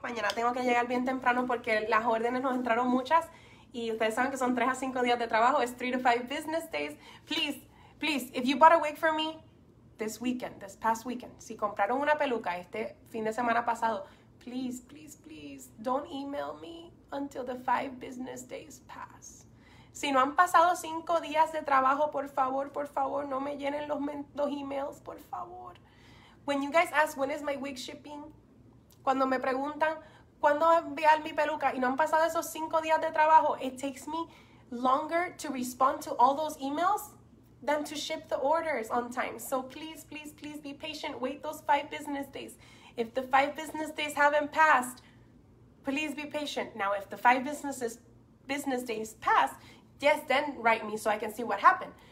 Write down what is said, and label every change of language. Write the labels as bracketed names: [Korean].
[Spanish] Mañana tengo que llegar bien temprano porque las órdenes nos entraron muchas. Y ustedes saben que son 3 a 5 días de trabajo. [English] It's 3 to 5 business days. Please, please, if you bought a wig for me this weekend, this past weekend, [Spanish] si compraron una peluca este fin de semana pasado, [English] please, please, please, don't email me until the 5 business days pass. [Spanish] Si no han pasado 5 días de trabajo, por favor, no me llenen los emails, por favor. [English] When you guys ask, when is my wig shipping? [Spanish] Cuando me preguntan, ¿cuándo va a enviar mi peluca? Y no han pasado esos 5 días de trabajo. [English] It takes me longer to respond to all those emails than to ship the orders on time. So please, please, please be patient. Wait those 5 business days. If the 5 business days haven't passed, please be patient. Now, if the 5 business days pass, yes, then write me so I can see what happened.